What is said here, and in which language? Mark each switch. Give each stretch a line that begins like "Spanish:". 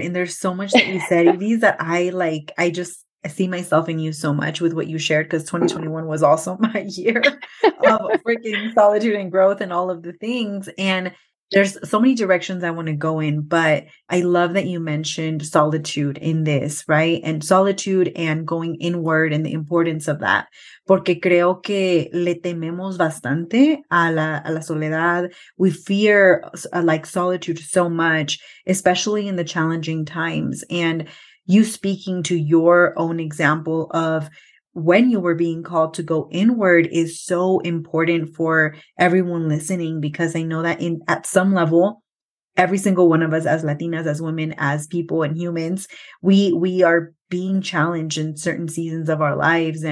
English: And there's so much that you said, Iris, that I see myself in you so much with what you shared, because 2021 was also my year of freaking solitude and growth and all of the things. And there's so many directions I want to go in, but I love that you mentioned solitude in this, right? And solitude and going inward and the importance of that.
Spanish: Porque creo que le tememos bastante a la soledad.
English: We fear like solitude so much, especially in the challenging times. And you speaking to your own example of when you were being called to go inward is so important for everyone listening, because I know that at some level, every single one of us as Latinas, as women, as people and humans, we are being challenged in certain seasons of our lives.